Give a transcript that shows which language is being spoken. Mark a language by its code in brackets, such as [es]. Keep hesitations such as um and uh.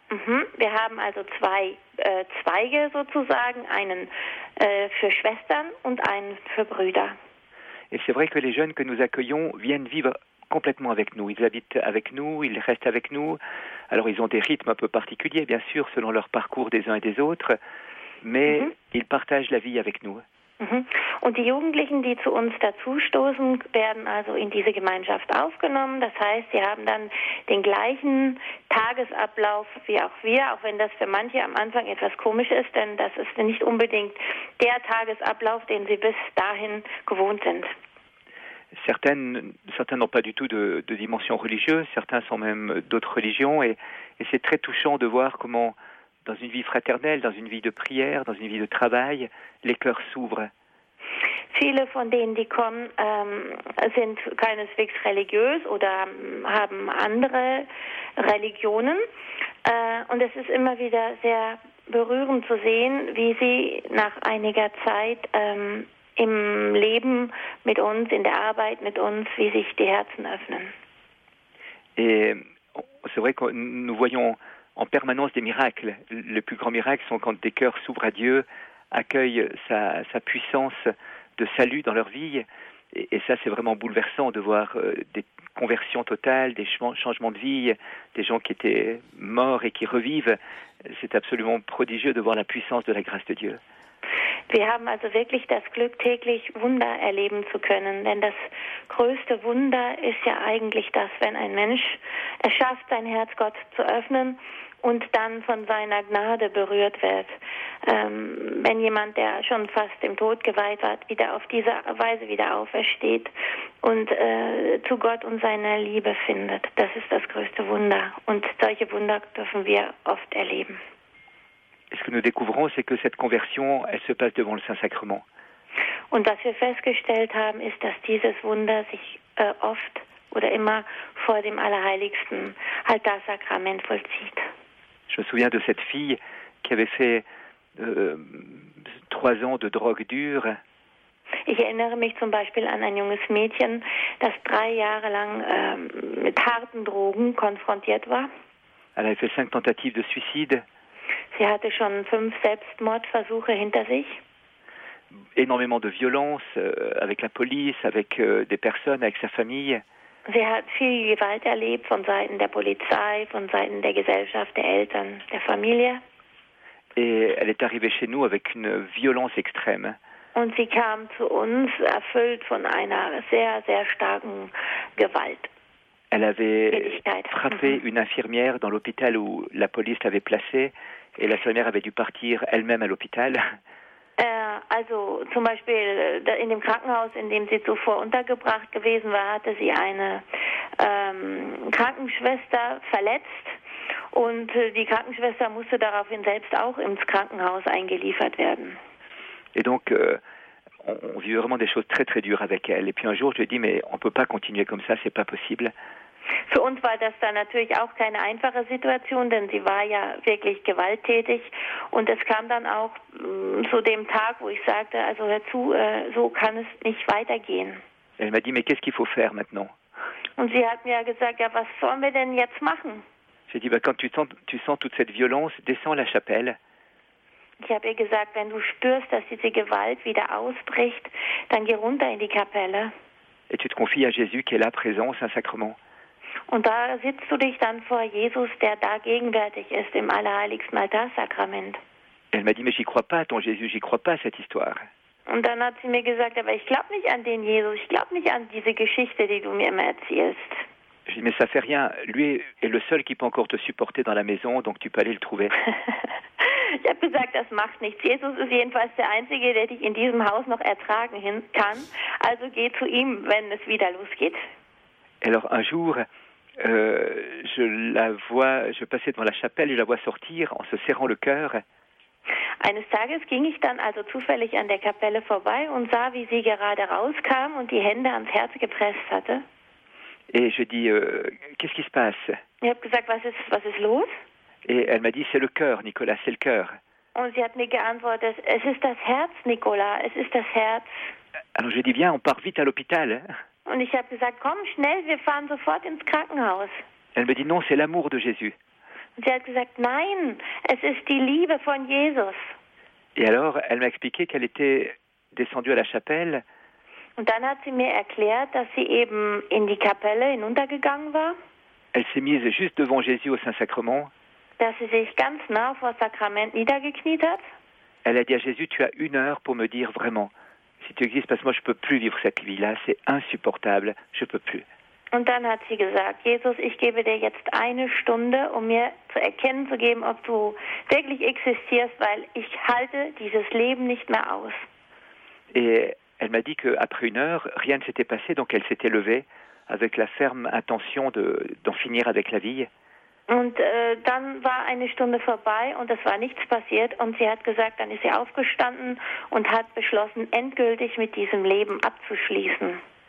[de] Mhm, wir haben also zwei äh, Zweige sozusagen, einen äh, für Schwestern und einen für Brüder. [fr] Et c'est vrai que les jeunes que nous accueillons viennent vivre complètement avec nous. Ils habitent avec nous, ils restent avec nous. Alors ils ont des rythmes un peu particuliers, bien sûr, selon leur parcours des uns et des autres. mais mhm. ils partagent la vie avec nous. Mhm. [de] Und die Jugendlichen, die zu uns dazustoßen, werden also in diese Gemeinschaft aufgenommen. Das heißt, sie haben dann den gleichen Tagesablauf wie auch wir, auch wenn das für manche am Anfang etwas komisch ist, denn das ist nicht unbedingt der Tagesablauf, den sie bis dahin gewohnt sind. [fr] Certaines, certains n'ont pas du tout de, de, dimension religieuse, certains sont même d'autres religions, et, et c'est très touchant de voir comment dans une vie fraternelle, dans une vie de prière, dans une vie de travail, les cœurs s'ouvrent. [de] Viele von denen, die kommen, ähm, sind keineswegs religiös oder haben andere Religionen. Äh, und es ist immer wieder sehr berührend zu sehen, wie sie nach einiger Zeit ähm, im Leben mit uns, in der Arbeit mit uns, wie sich die Herzen öffnen. [fr] Et c'est vrai que nous voyons en permanence des miracles. Les plus grands miracles sont quand des cœurs s'ouvrent à Dieu, accueillent sa, sa, puissance de salut dans leur vie. Et, et ça, c'est vraiment bouleversant de voir euh, des conversions totales, des changements de vie, des gens qui étaient morts et qui revivent. C'est absolument prodigieux de voir la puissance de la grâce de Dieu. [de] Wir haben also wirklich das Glück, täglich Wunder erleben zu können. Denn das größte Wunder ist ja eigentlich das, wenn ein Mensch es schafft, sein Herz Gott zu öffnen und dann von seiner Gnade berührt wird. Ähm, wenn jemand, der schon fast dem Tod geweiht war, wieder auf diese Weise wieder aufersteht und äh, zu Gott und seiner Liebe findet, das ist das größte Wunder. Und solche Wunder dürfen wir oft erleben. [fr] ce que nous découvrons, c'est que cette conversion, elle se passe devant le Saint-Sacrement. [de] Und was wir festgestellt haben, ist, dass dieses Wunder sich äh, oft oder immer vor dem Allerheiligsten Altarsakrament vollzieht. [fr] Je me souviens de cette fille qui avait fait euh, trois ans de drogue dure. [de] Ich erinnere mich zum Beispiel an ein junges Mädchen, das drei Jahre lang äh, mit harten Drogen konfrontiert war. [fr] Elle avait fait cinq tentatives de suicide. [de] Sie hatte schon fünf Selbstmordversuche hinter sich. [fr] Énormément de violence euh, avec la police, avec euh, des personnes, avec sa famille. [de] Sie hat viel Gewalt erlebt von Seiten der Polizei, von Seiten der Gesellschaft, der Eltern, der Familie. [fr] Et elle est arrivée chez nous avec une violence extrême. [de] Und sie kam zu uns erfüllt von einer sehr, sehr starken Gewalt. [fr] Elle avait [de] Tätigkeit. [fr] frappé une infirmière dans l'hôpital où la police l'avait placée et l'infirmière avait dû partir elle-même à l'hôpital. [de] Äh, also zum Beispiel äh, da- in dem Krankenhaus, in dem sie zuvor untergebracht gewesen war, hatte sie eine ähm, Krankenschwester verletzt und äh, die Krankenschwester musste daraufhin selbst auch ins Krankenhaus eingeliefert werden. [fr] Et donc, euh, on, on vit vraiment des choses très très dures avec elle. Et puis un jour, je lui ai dit, mais on ne peut pas continuer comme ça, c'est pas possible. [de] Für uns war das dann natürlich auch keine einfache Situation, denn sie war ja wirklich gewalttätig. Und es kam dann auch mh, zu dem Tag, wo ich sagte, also hör zu, äh, so kann es nicht weitergehen. [fr] Elle m'a dit, mais qu'est-ce qu'il faut faire maintenant [de] Und sie hat mir gesagt, ja, was sollen wir denn jetzt machen? [fr] J'ai dit, bah, quand tu sens, tu sens toute cette violence, descends à la chapelle. [de] Ich habe ihr gesagt, wenn du spürst, dass diese Gewalt wieder ausbricht, dann geh runter in die Kapelle. [fr] et tu te confies à Jésus qui est là présent au Saint-Sacrement. [de] Und da sitzt du dich dann vor Jesus, der da gegenwärtig ist im allerheiligsten Altarsakrament. [fr] Et elle m'a dit, mais j'y crois pas, ton Jésus, j'y crois pas à cette histoire. [de] Und dann hat sie mir gesagt, aber ich glaube nicht an den Jesus, ich glaube nicht an diese Geschichte, die du mir immer erzählst. [fr] J'ai dit, mais ça fait rien, lui est le seul qui peut encore te supporter dans la maison, donc tu peux aller le trouver. [de] ich habe gesagt, das macht nichts. Jesus ist jedenfalls der Einzige, der dich in diesem Haus noch ertragen hin kann. Also geh zu ihm, wenn es wieder losgeht. [fr] Et alors un jour, euh, je la vois, je passais devant la chapelle, je la vois sortir en se serrant le cœur, [de] Eines Tages ging ich dann also zufällig an der Kapelle vorbei und sah, wie sie gerade rauskam und die Hände ans Herz gepresst hatte. [fr] et je dis, euh, qu'est-ce qui se passe [de] Ich habe gesagt, was ist, was ist los? [fr] Et elle m'a dit, c'est le cœur, Nicolas, c'est le cœur. [de] Und sie hat mir geantwortet, es ist das Herz, Nicola, es ist das Herz. [fr] Alors je dis, viens, on part vite à l'hôpital. [de] Und ich habe gesagt, komm schnell, wir fahren sofort ins Krankenhaus. [fr] Elle me dit, non, c'est l'amour de Jésus. [de] Und sie hat gesagt, nein, es ist die Liebe von Jesus. [fr] Et alors, elle m'a expliqué qu'elle était descendue à la chapelle [de] Und dann hat sie mir erklärt, dass sie eben in die Kapelle hinuntergegangen war, [fr] Elle s'est mise juste devant Jésus au Saint-Sacrement. [de] dass sie sich ganz nah vor das Sakrament niedergekniet hat [fr] Elle a dit à Jésus, tu as une heure pour me dire vraiment si tu existes, parce que moi je peux plus vivre cette vie-là, c'est insupportable, je peux plus. [de] Und dann hat sie gesagt, Jesus, ich gebe dir jetzt eine Stunde, um mir zu erkennen zu geben, ob du wirklich existierst, weil ich halte dieses Leben nicht mehr aus. [fr] Et elle m'a dit qu'après une heure, rien ne s'était passé, donc elle s'était levée avec la ferme intention de- d'en finir avec la vie. [de] Und äh, dann war eine Stunde vorbei und es war nichts passiert und sie hat gesagt, dann ist sie aufgestanden und hat beschlossen, endgültig mit diesem Leben abzuschließen.